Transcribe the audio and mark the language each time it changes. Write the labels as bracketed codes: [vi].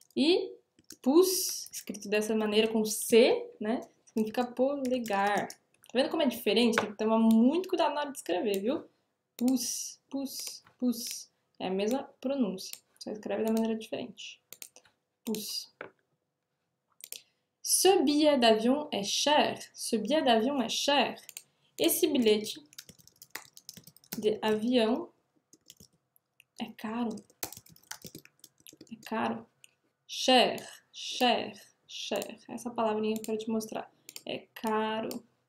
[pt] E pousse, escrito dessa maneira com C, né? Significa polegar. Tá vendo como é diferente? Tem que tomar muito cuidado na hora de escrever, viu? Pousse, pousse, pousse. É a mesma pronúncia. Só escreve da maneira diferente. Pousse. [fr] Ce billet d'avion est cher. Ce billet d'avion est cher. [pt] Esse bilhete de avião é caro. É caro. Cher, cher, cher. Essa palavrinha que eu quero te mostrar. É caro.